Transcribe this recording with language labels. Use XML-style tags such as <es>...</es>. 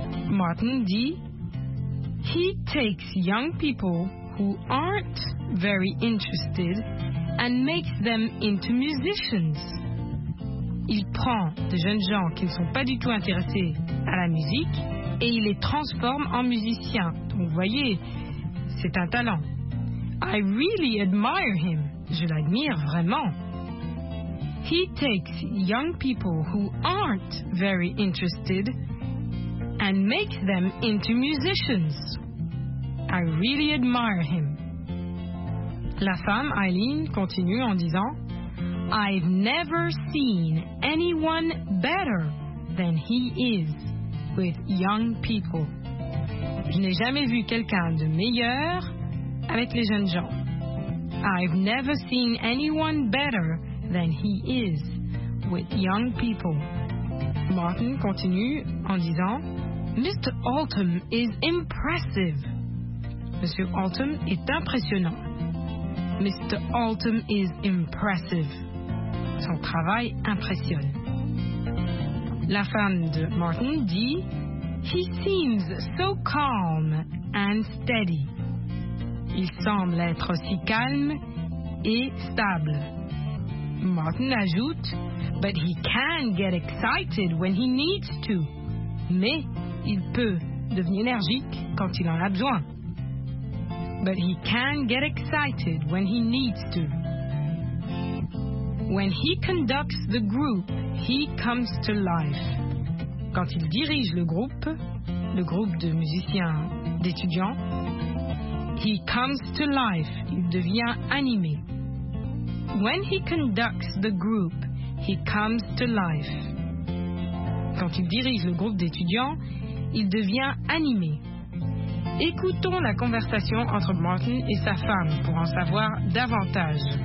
<fr>Martin dit</fr> <en>« He takes young people who aren't very interested and makes them into musicians. »</en> <fr>Il prend de jeunes gens qui ne sont pas du tout intéressés à la musique et il les transforme en musiciens. Donc vous voyez, c'est un talent.</fr> <en>I really admire him.</en> <fr>Je l'admire vraiment.</fr> <en>He takes young people who aren't very interested and makes them into musicians. I really admire him.</en> <fr>La femme, Eileen, continue en disant,</fr> <en>I've never seen anyone better than he is with young people.</en> <fr>Je n'ai jamais vu quelqu'un de meilleur avec les jeunes gens.</fr> <en>I've never seen anyone better than he is with young people.</en> <fr>Martin continue en disant,</fr> <en>Mr. Altham is impressive.</en> <fr>Monsieur Altham est impressionnant. Mr.</fr> <en>Altham is impressive.</en> <fr>Son travail impressionne. La femme de Martin dit,</fr> <en>He seems so calm and steady.</en> <fr>Il semble être si calme et stable. Martin ajoute,</fr> <en>But he can get excited when he needs to.</en> <fr>Mais il peut devenir énergique quand il en a besoin.</fr> <en>But he can get excited when he needs to. When he conducts the group, he comes to life.</en> <fr>Quand il dirige le groupe de musiciens, d'étudiants,</fr> <en>he comes to life,</en> <fr>il devient animé.</fr> <en>When he conducts the group, he comes to life.</en> <fr>Quand il dirige le groupe d'étudiants, il devient animé. Écoutons la conversation entre Martin et sa femme pour en savoir davantage.</fr>